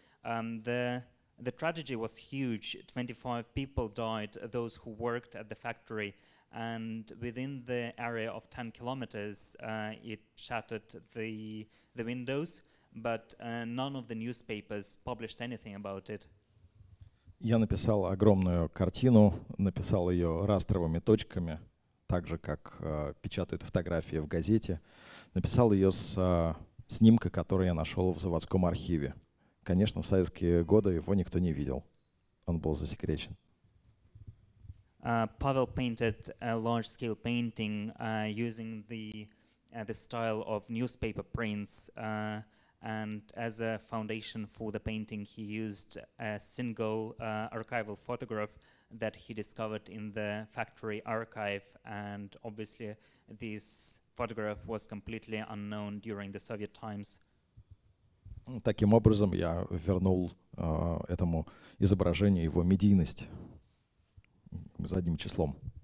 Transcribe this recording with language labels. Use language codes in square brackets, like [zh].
[en] The tragedy was huge. 25 people died, those who worked at the factory, and within the area of 10 kilometers, it shattered the windows, but none of the newspapers published anything about it. [ru] Я написал огромную картину, написал ее растровыми точками, так же, как печатают фотографии в газете. Написал ее с снимка, который я нашел в заводском архиве. Конечно, в советские годы его никто не видел. Он был засекречен. [en] Pavel painted a large-scale painting using the style of newspaper prints, and as a foundation for the painting, he used a single archival photograph that he discovered in the factory archive. And obviously, this photograph was completely unknown during the Soviet times. [ru] Таким образом, я вернул этому изображению его медийность задним числом.